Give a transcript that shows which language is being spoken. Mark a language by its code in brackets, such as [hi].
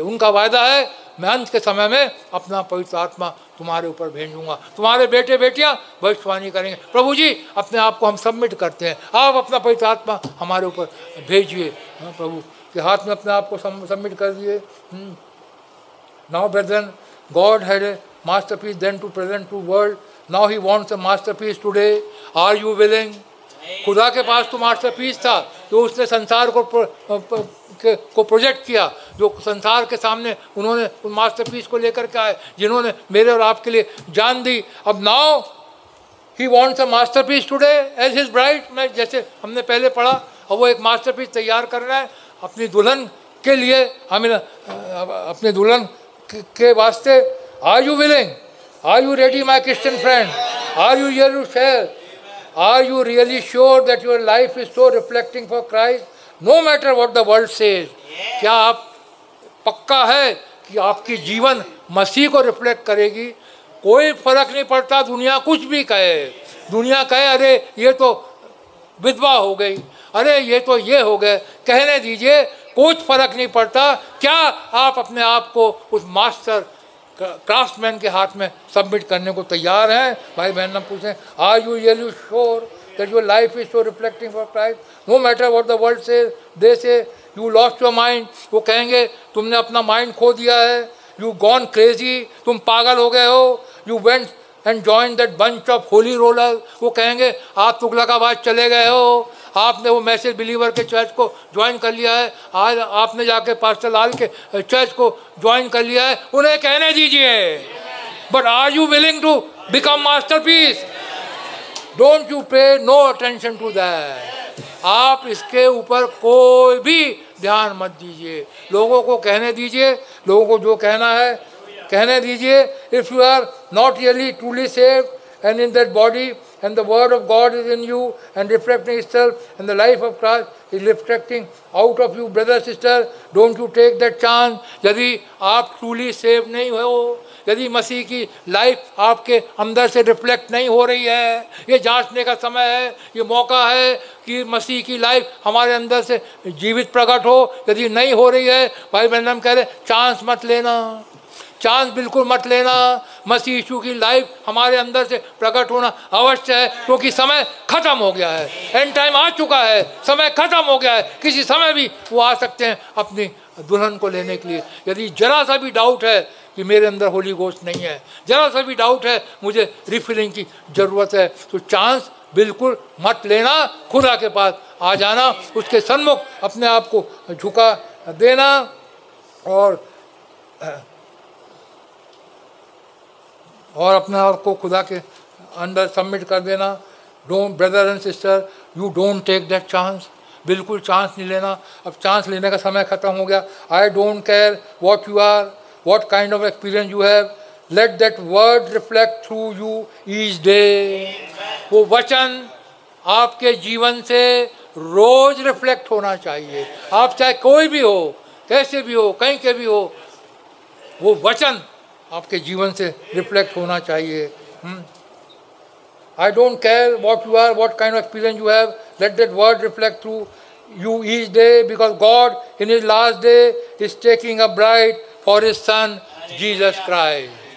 [hi] उनका वायदा है, मैं अंत के समय में अपना पवित्र आत्मा तुम्हारे ऊपर भेजूंगा, तुम्हारे बेटे बेटियां भविष्यवाणी करेंगे, प्रभु जी अपने आप को हम सबमिट करते हैं, आप अपना पवित्र आत्मा हमारे ऊपर भेजिए। हाँ प्रभु के हाथ में अपने आप को सबमिट कर दिए। [en] Now, brethren, God had a masterpiece then to present to world. Now, He wants a masterpiece today. Are you willing? [hi] खुदा के पास तो masterpiece था जो उसने संसार को project किया, जो संसार के सामने उन्होंने उन masterpiece को लेकर के आए, जिन्होंने मेरे और आपके लिए जान दी। [en] अब now, He wants a masterpiece today as His bride. [hi] मैं जैसे हमने पहले पढ़ा, अब वो एक masterpiece तैयार कर रहा है अपनी दुल्हन के लिए, हमें अपने दुल्हन के वास्ते। [en] Are you willing, are you ready my Christian friend, are you here to share, are you really sure that your life is so reflecting for Christ no matter what the world says. [hi] क्या आप पक्का है कि आपकी जीवन मसीह को reflect करेगी? कोई फर्क नहीं पड़ता दुनिया कुछ भी कहे, दुनिया कहे अरे ये तो विधवा हो गई, अरे ये तो ये हो गए, कहने दीजिए कुछ फर्क नहीं पड़ता। क्या आप अपने आप को उस मास्टर क्राफ्टमैन के हाथ में सबमिट करने को तैयार हैं? भाई बहन ना पूछें, [en] Are you really sure that your life is so reflecting for Christ. No matter what the world says, they say, you lost your mind. [hi] वो कहेंगे तुमने अपना mind खो दिया है. [en] You gone crazy. [hi] तुम पागल हो गए हो. [en] You went and joined that bunch of holy rollers. [hi] वो कहेंगे आप तुगलकाबाद चले गए हो. आपने वो मैसेज बिलीवर के चर्च को ज्वाइन कर लिया है. आज आपने जाके पास्टर लाल के चर्च को ज्वाइन कर लिया है. उन्हें कहने दीजिए. [en] But are you willing to become masterpiece? Don't you pay no attention to that. [hi] आप इसके ऊपर कोई भी ध्यान मत दीजिए. लोगों को कहने दीजिए. लोगों को जो कहना है कहने दीजिए. [en] If you are not really truly saved and in that body and the word of God is in you and reflecting itself and the life of Christ is reflecting out of you, brother, sister, don't you take that chance. [hi] यदि आप [en] truly saved [hi] नहीं हो, यदि मसीह की life आपके अंदर से reflect नहीं हो रही है, ये जांचने का समय है. ये मौका है कि मसीह की लाइफ हमारे अंदर से जीवित प्रकट हो. यदि नहीं हो रही है, भाई बहनम कह रहे चांस मत लेना. चांस बिल्कुल मत लेना. मसीह यीशु की लाइफ हमारे अंदर से प्रकट होना अवश्य है, क्योंकि समय ख़त्म हो गया है. एंड टाइम आ चुका है. समय ख़त्म हो गया है. किसी समय भी वो आ सकते हैं अपनी दुल्हन को लेने के लिए. यदि जरा सा भी डाउट है कि मेरे अंदर होली गोस्ट नहीं है, जरा सा भी डाउट है मुझे रिफिलिंग की ज़रूरत है, तो चांस बिल्कुल मत लेना. खुदा के पास आ जाना, उसके सन्मुख अपने आप को झुका देना. और अपने आप को खुदा के अंदर सबमिट कर देना. [en] Don't brother and sister, you don't take that chance. [hi] बिल्कुल चांस नहीं लेना. अब चांस लेने का समय ख़त्म हो गया. [en] I don't care what you are, what kind of experience you have, let that word reflect through you each day. [hi] वो वचन आपके जीवन से रोज रिफ्लेक्ट होना चाहिए. आप चाहे कोई भी हो, कैसे भी हो, कहीं के भी हो, वो वचन आपके जीवन से रिफ्लेक्ट होना चाहिए. [en] I don't care what you are, what kind of experience you have, let that word reflect through you each day, because God in his last day is taking a bride और his son Jesus Christ.